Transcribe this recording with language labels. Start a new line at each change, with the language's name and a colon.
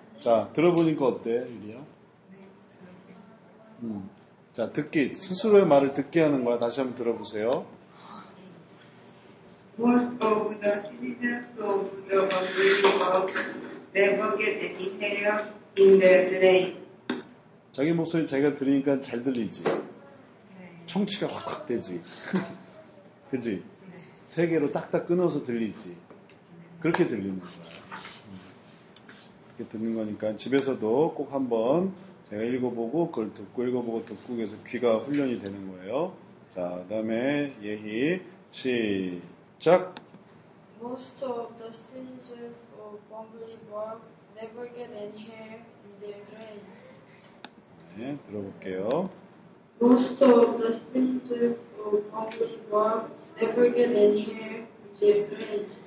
Korean: 자, 들어보니까 어때, 유리야? 자, 듣기. 스스로의 말을 듣게 하는 거야. 다시 한번 들어보세요.
English: Most of the citizens of the Bumblebird never get a detail in their drain.
Korean: 자기 목소리 자기가 들으니까 잘 들리지? 네. 청취가 확확 되지? 그지? 네. 세 개로 딱딱 끊어서 들리지? 그렇게 들리는 거야. 이렇게 듣는 거니까 집에서도 꼭 한번 제가 읽어보고 그걸 듣고 읽어보고 듣고 해서 귀가 훈련이 되는 거예요. 자, 그 다음에 예희 시작.
English: Most of the citizens of Bumblebog never get any hair in their brain.
Korean: 네, 들어볼게요.
English: Most of the citizens of Bumblebog never get any hair in their brain.